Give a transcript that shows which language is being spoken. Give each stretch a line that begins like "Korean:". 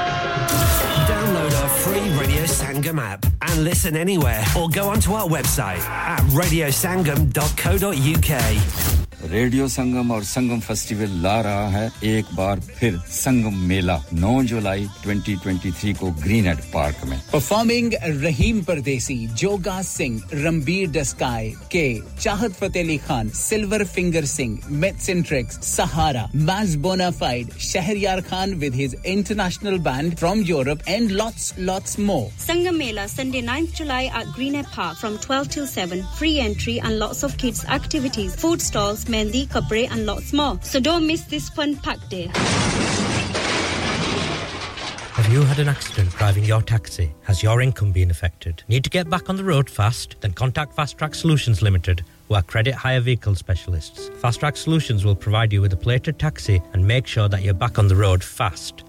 English: Sangam app and listen anywhere or go onto our website at radiosangam.co.uk.
Hindi: Radio संगम और संगम festival ला रहा है एक बार फिर संगम मेला 9 जुलाई 2023 को ग्रीन हेड पार्क में
English: Performing Rahim Pardesi Joga Singh Ranbir डस्काय के Chahat Fateh Ali Khan silver finger Singh मेटसेंट्रिक्स सहारा मैज bonafide Shahryar Khan with his international band from Europe and lots lots more Sangam Mela Sunday 9th July at Greenhead Park from 12 till 7 free entry and lots of kids activities food stalls Mendi, Kapre and lots more. So don't miss this fun pack day. Have you had an accident driving your taxi? Has your income been affected? Need to get back on the road fast? Then contact Fast Track Solutions Limited, who are credit hire vehicle specialists. Fast Track Solutions will provide you with a plated taxi and make sure that you're back on the road fast.